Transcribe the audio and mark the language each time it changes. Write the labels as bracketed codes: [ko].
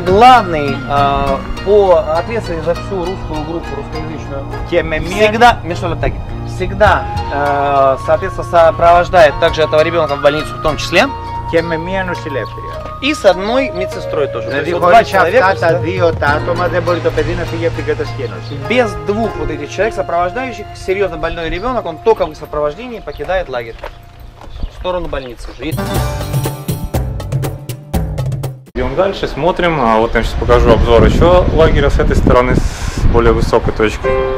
[ru] главный по ответственности за всю русскую группу, русскоязычную, всегда, соответственно, сопровождает также этого ребенка в больницу в том числе. [el] Και με μία νοσηλεύτρια. [ru] И с одной медсестрой тоже. [el] Δηλαδή, [ru] то есть, хорошо, вот два человека. [el] Άτομα, δεν μπορεί το παιδί να φύγει από την κατασκήνωση. [ru] Без двух вот этих человек, сопровождающих, серьезно больной ребенок, он только в сопровождении покидает лагерь. В сторону больницы уже. Идем дальше, смотрим. А вот я сейчас покажу обзор еще лагеря с этой стороны, с более высокой точки.